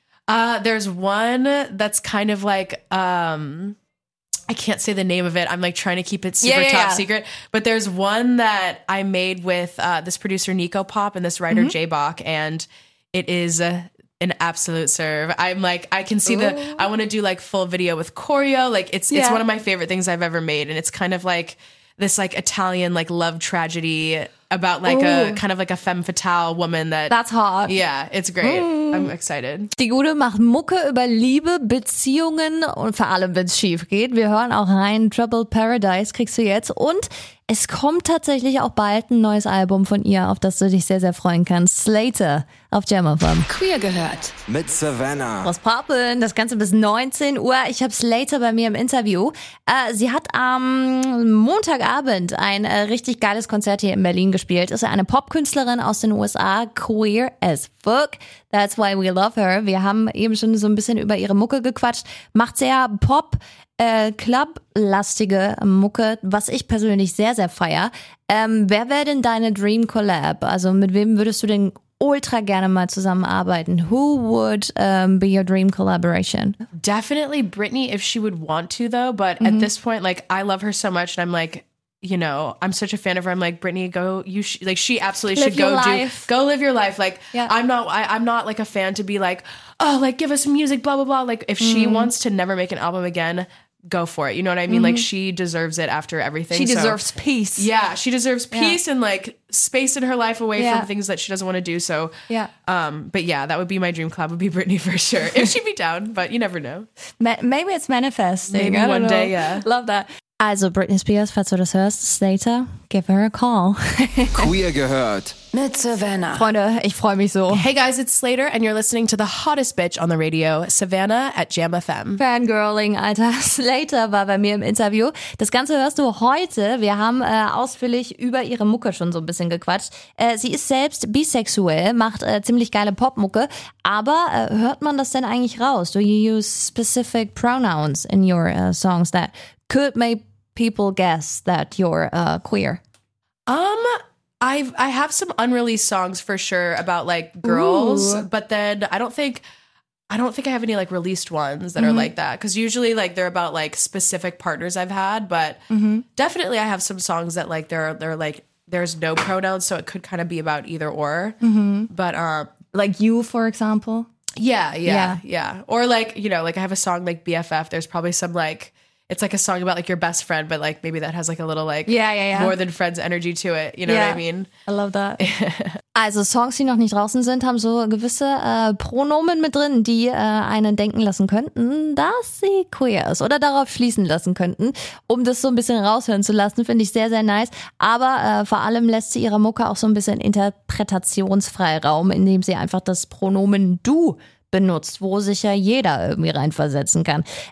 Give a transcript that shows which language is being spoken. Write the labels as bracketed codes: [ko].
[en] There's one that's kind of like, I can't say the name of it. I'm like trying to keep it super secret, but there's one that I made with, this producer Nico Pop and this writer J Bach, and it is an absolute serve. I'm like, I can see I want to do like full video with choreo. Like it's one of my favorite things I've ever made. And it's kind of like this like Italian, like love tragedy about like a kind of like a femme fatale woman that's hot. Yeah, it's great. I'm excited. [de] Die Gute macht Mucke über Liebe, Beziehungen und vor allem, wenn es schief geht. Wir hören auch rein. Troubled Paradise kriegst du jetzt. Und es kommt tatsächlich auch bald ein neues Album von ihr, auf das du dich sehr, sehr freuen kannst. Slater auf Jam FM. Queer gehört. Mit Savannah. Was poppen? Das Ganze bis 19 Uhr. Ich habe Slater bei mir im Interview. Sie hat am Montagabend ein richtig geiles Konzert hier in Berlin gespielt. Ist eine Popkünstlerin aus den USA. [en] Queer as fuck. That's why we love her. [de] Wir haben eben schon so ein bisschen über ihre Mucke gequatscht. Macht sehr Pop. Club-lastige Mucke, was ich persönlich sehr, sehr feier. Wer wäre denn deine Dream Collab? Also mit wem würdest du denn ultra gerne mal zusammenarbeiten? [en] Who would be your dream collaboration? Definitely Britney, if she would want to, though. But at this point, like, I love her so much. And I'm like, you know, I'm such a fan of her. I'm like, Britney, she absolutely live should go life. Go live your life. Like, I'm not like a fan to be like, oh, like, give us music, blah, blah, blah. Like, if she wants to never make an album again, go for it. You know what I mean? Like, she deserves it after everything. She deserves peace. Yeah, she deserves peace and, like, space in her life away from things that she doesn't want to do. So, but yeah, that would be my dream club, would be Britney for sure. If she'd be down, but you never know. Maybe it's manifesting. Maybe one day, Love that. Also, Britney Spears, [de] falls du das hörst, [en] Slater, give her a call. [de] Queer gehört. Mit Savannah. Freunde, ich freue mich so. [en] Hey guys, it's Slater and you're listening to the hottest bitch on the radio, Savannah at Jam FM. [de] Fangirling, Alter. Slater war bei mir im Interview. Das Ganze hörst du heute. Wir haben ausführlich über ihre Mucke schon so ein bisschen gequatscht. Sie ist selbst bisexuell, macht ziemlich geile Popmucke. Aber hört man das denn eigentlich raus? [en] Do you use specific pronouns in your songs that could make people guess that you're queer? I have some unreleased songs for sure about like girls, but then I don't think I have any like released ones that are like that. Cause usually like they're about like specific partners I've had, but definitely I have some songs that like they're like, there's no pronouns. So it could kind of be about either or, but, like you, for example. Yeah. Or like, you know, like I have a song like BFF, there's probably some like, it's like a song about like your best friend, but like maybe that has like a little like more than friends energy to it. You know what I mean? I love that. [de] Also Songs, die noch nicht draußen sind, haben so gewisse Pronomen mit drin, die einen denken lassen könnten, dass sie queer ist oder darauf schließen lassen könnten, um das so ein bisschen raushören zu lassen. Finde ich sehr, sehr nice. Aber vor allem lässt sie ihrer Mucke auch so ein bisschen Interpretationsfreiraum, indem sie einfach das Pronomen du benutzt, wo sich ja jeder irgendwie reinversetzen kann.